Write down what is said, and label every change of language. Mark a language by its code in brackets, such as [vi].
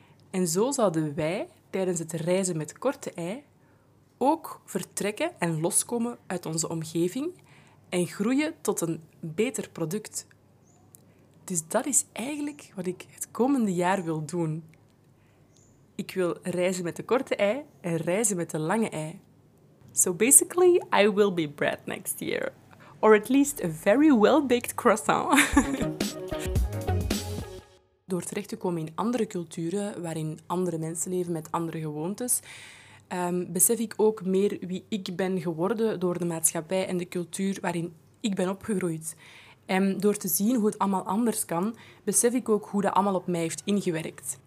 [nl] En zo zouden wij tijdens het reizen met korte ei ook vertrekken en loskomen uit onze omgeving en groeien tot een beter product. Dus dat is eigenlijk wat ik het komende jaar wil doen. Ik wil reizen met de korte ei en reizen met de lange ei. [en] So basically, I will be Brad next year. Or at least a very well-baked croissant. [nl] Door terecht te komen in andere culturen, waarin andere mensen leven met andere gewoontes, besef ik ook meer wie ik ben geworden door de maatschappij en de cultuur waarin ik ben opgegroeid. En door te zien hoe het allemaal anders kan, besef ik ook hoe dat allemaal op mij heeft ingewerkt.